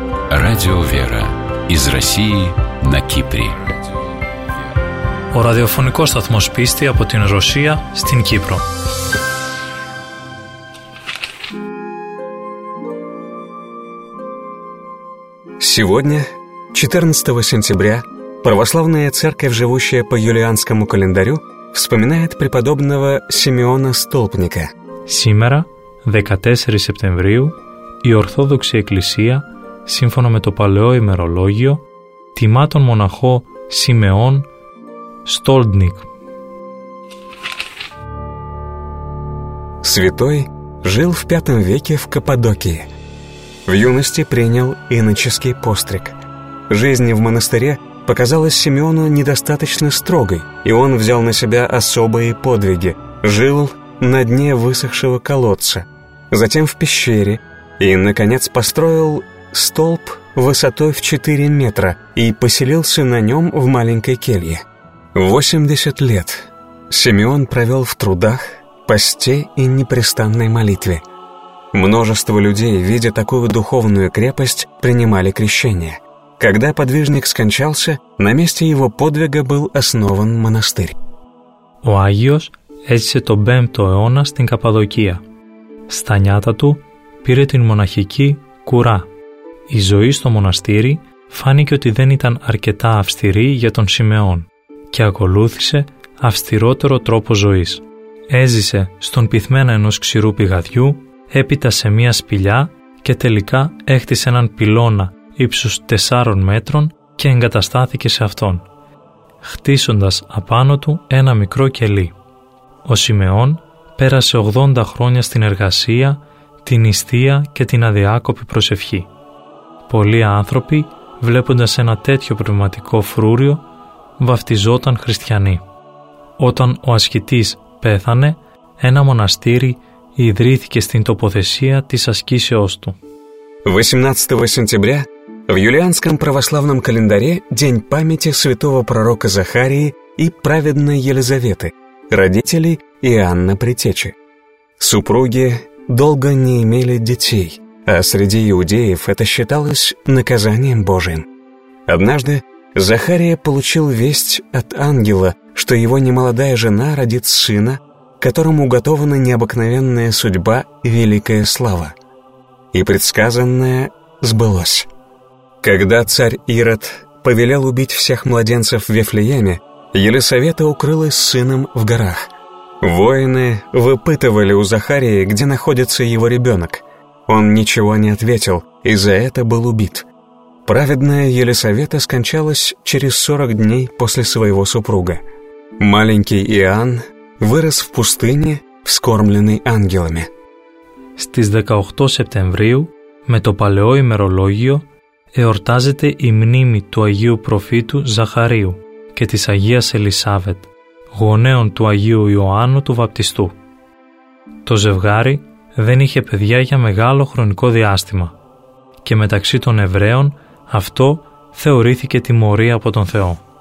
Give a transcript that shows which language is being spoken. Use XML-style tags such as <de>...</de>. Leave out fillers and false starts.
<ru>Радио «Вера» из России на Кипре.</ru> <el>Ο ραδιοφωνικός σταθμός πίστη από την Ρωσία στην Κύπρο.</el> <ru>Сегодня, 14 сентября, православная церковь, живущая по юлианскому календарю, вспоминает преподобного Симеона Столпника. Сегодня,</ru> <el>14 сентября, η Ορθόδοξη Εκκλησία, σύμφωνα με το παλαιό ημερολόγιο, τιμά τον μοναχό Σιμεών Στόλντνικ.</el> <ru>Святой жил в V веке в Каппадокии. В юности принял иноческий постриг. Жизнь в монастыре показалась Симеону недостаточно строгой, и он взял на себя особые подвиги. Жил на дне высохшего колодца, затем в пещере, и, наконец, построил столб высотой в 4 метра и поселился на нем в маленькой келье. 80 лет Симеон провел в трудах, посте и непрестанной молитве. Множество людей, видя такую духовную крепость, принимали крещение. Когда подвижник скончался, на месте его подвига был основан монастырь.</ru> <el>Агиос έζησε τον 5ο αιώνα στην Καπαδοκία. Στα νιάτα του πήρε την μοναχική κουρά. Η ζωή στο μοναστήρι φάνηκε ότι δεν ήταν αρκετά αυστηρή για τον Σιμεών και ακολούθησε αυστηρότερο τρόπο ζωής. Έζησε στον πυθμένα ενός ξηρού πηγαδιού, έπειτα σε μία σπηλιά και τελικά έχτισε έναν πυλώνα ύψους 4 μέτρων και εγκαταστάθηκε σε αυτόν, χτίσοντας απάνω του ένα μικρό κελί. Ο Σιμεών πέρασε 80 χρόνια στην εργασία, την νηστεία και την αδιάκοπη προσευχή. Πολλοί άνθρωποι, βλέποντας ένα τέτοιο πνευματικό φρούριο, βαφτιζόταν χριστιανοί. Όταν ο ασκητής πέθανε, ένα μοναστήρι ιδρύθηκε στην τοποθεσία της ασκήσεώς του.</el> <ru>18 сентября в юлианском православном календаре день памяти святого пророка Захарии и праведной Елизаветы, родителей Иоанна Предтечи. Супруги долго не имели детей, а среди иудеев это считалось наказанием Божиим. Однажды Захария получил весть от ангела, что его немолодая жена родит сына, которому уготована необыкновенная судьба и великая слава. И предсказанное сбылось. Когда царь Ирод повелел убить всех младенцев в Вифлееме, Елисавета укрылась с сыном в горах. Воины выпытывали у Захарии, где находится его ребенок. Он ничего не ответил и за это был убит. Праведная Елисавета скончалась через 40 дней после своего супруга. Маленький Иоанн вырос в пустыне, вскормленный ангелами.</ru> <el>Στις 18 Σεπτεμβρίου, με το παλαιό ημερολόγιο, εορτάζεται η μνήμη του Αγίου Προφήτου Ζαχαρίου και της Αγίας Ελισάβετ, γονέων του Αγίου Ιωάννου του Βαπτιστού. Το ζευγάρι δεν είχε παιδιά για μεγάλο χρονικό διάστημα και μεταξύ των Εβραίων αυτό θεωρήθηκε τιμωρία από τον Θεό.</el>